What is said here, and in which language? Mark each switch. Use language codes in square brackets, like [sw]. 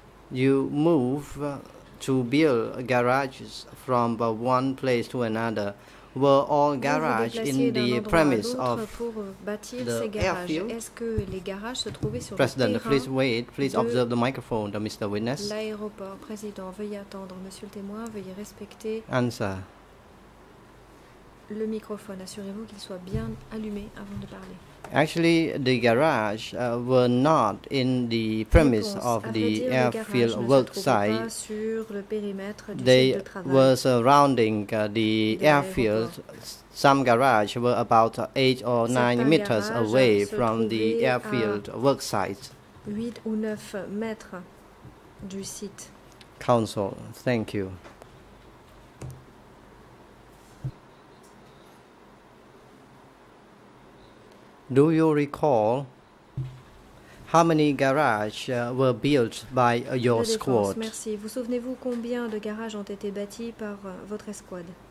[en] You move to build garages from one place to another. Were all garages in the premise of the airfield? [fr] Est-ce que les garages se trouvaient sur [en] President, [fr] le terrain? [en] President, please wait. Please observe the microphone, the Mr. Witness. [fr] L'aéroport, président, veuillez attendre, Monsieur le témoin, veuillez respecter. [en] Answer. [fr] Le microphone, assurez-vous qu'il soit bien allumé avant de parler. [en] Actually, the garage were not in the premise of the airfield work site. They were surrounding the airfield. Some garage were about 8 or 9 meters away from the airfield work site. [fr] 8 ou 9 mètres du site. [en] Counsel, thank you. Do you recall how many garages were built by your squad? [fr] Merci. Vous souvenez-vous combien de garages ont été bâtis par votre escouade?